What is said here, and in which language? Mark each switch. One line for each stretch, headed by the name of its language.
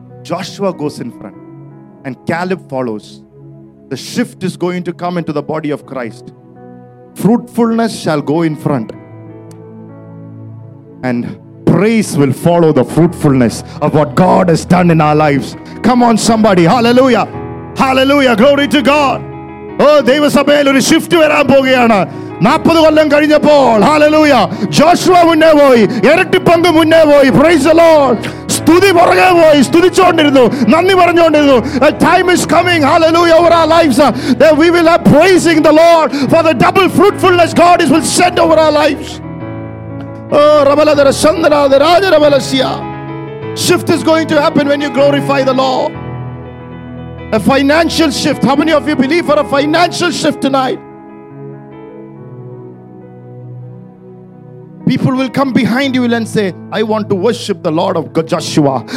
English: Joshua goes in front. And Caleb follows. The shift is going to come into the body of Christ. Fruitfulness shall go in front. And praise will follow the fruitfulness of what God has done in our lives. Come on, somebody. Hallelujah. Hallelujah. Glory to God.
Malayalam: Oh, ദൈവസഭയിൽ ഒരു shift വരാൻ പോവുകയാണ്. 40 കൊല്ലം കഴിഞ്ഞപ്പോൾ ഹല്ലേലൂയാ, Joshua മുന്നേ പോയി, ഇരട്ടിപ്പങ്ക് മുന്നേ പോയി.
English: Praise the Lord.
Malayalam: സ്തുതി പുറകെ പോയി, സ്തുതിച്ചുകൊണ്ടിരുന്നു, നന്ദി പറഞ്ഞുകൊണ്ടിരുന്നു.
English: The time is coming, hallelujah, over our lives that we will have praising the Lord for the double fruitfulness God will send over our lives. Oh, റബലദര ശന്ദരദര രാജരബലസിയ. Shift is going to happen when you glorify the Lord. A financial shift. How many of you believe for a financial shift tonight? People will come behind you and say, I want to worship the Lord of Joshua.